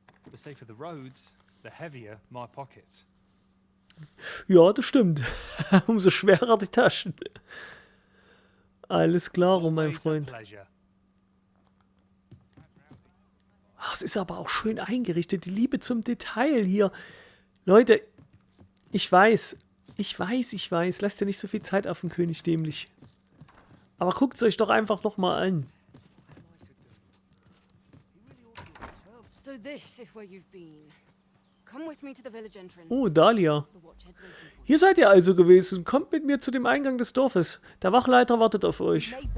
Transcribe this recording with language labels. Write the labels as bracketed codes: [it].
[en] The safer the roads, the heavier my pockets. [de] Ja, das stimmt. Umso schwerer die Taschen. Alles klar, mein Freund. Ach, es ist aber auch schön eingerichtet. Die Liebe zum Detail hier. Leute, ich weiß. Lasst ja nicht so viel Zeit auf den König dämlich. Aber guckt es euch doch einfach nochmal an. [en] So, this is where you've been. Come with me to the village entrance. Oh, Dahlia. [de] Hier seid ihr also gewesen. Kommt mit mir zu dem Eingang des Dorfes. Der Wachleiter wartet auf euch.